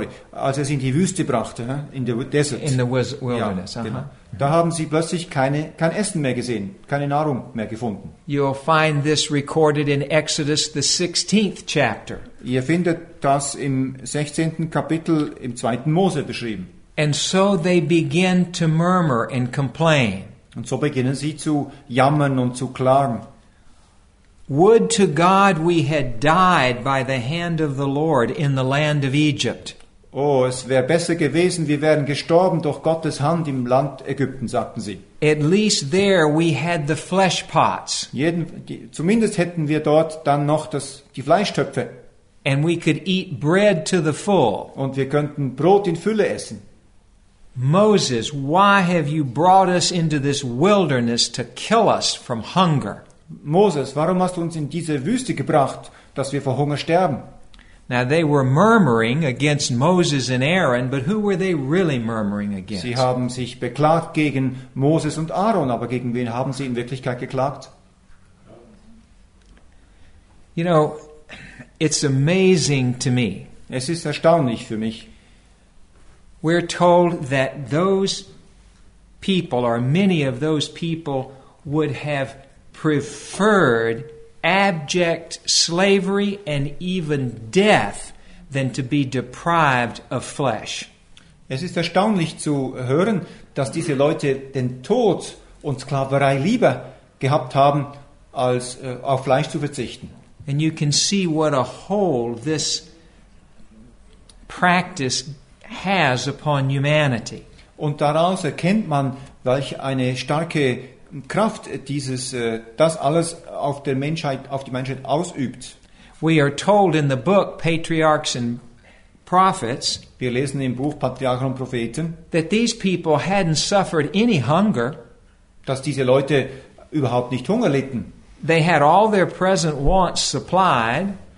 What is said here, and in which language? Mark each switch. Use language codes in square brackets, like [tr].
[de] Als er sie in die Wüste brachte, in der Desert. [en] In the wilderness. [de] Ja, genau. Da haben sie plötzlich kein Essen mehr gesehen, keine Nahrung mehr gefunden. [en] You'll find this recorded in Exodus, the 16th chapter. [de] Ihr findet das im 16. Kapitel im 2. Mose beschrieben. [en] And so they begin to murmur and complain. [de] Und so beginnen sie zu jammern und zu klagen. [en] Would to God we had died by the hand of the Lord in the land of Egypt. [de] Oh, es wäre besser gewesen, wir wären gestorben durch Gottes Hand im Land Ägypten, sagten sie. [en] At least there we had the flesh pots. [de] Zumindest hätten wir dort dann noch die Fleischtöpfe. [en] And we could eat bread to the full. [de] Und wir könnten Brot in Fülle essen. [en] Moses, why have you brought us into this wilderness to kill us from hunger? [de] Moses, warum hast du uns in diese Wüste gebracht, dass wir vor Hunger sterben? [en] Now they were murmuring against Moses and Aaron, but who were they really murmuring against? [de] Sie haben sich beklagt gegen Moses und Aaron, aber gegen wen haben sie in Wirklichkeit geklagt? [en] You know, it's amazing to me. [de] Es ist erstaunlich für mich. [en] We're told that those people, or many of those people, would have preferred abject slavery and even death than to be deprived of flesh. [de] Es ist erstaunlich zu hören, dass diese Leute den Tod und Sklaverei lieber gehabt haben, als auf Fleisch zu verzichten. [en] And you can see what a hold this practice has upon humanity. [de] Und daraus erkennt man, welch eine starke Kraft dieses das alles auf die Menschheit ausübt. [en] We are told in the book Patriarchs and Prophets, [de] wir lesen im Buch Patriarchen und Propheten, [en] that these people hadn't suffered any hunger, [de] dass diese Leute überhaupt nicht Hunger litten. [en] They had all their present wants supplied,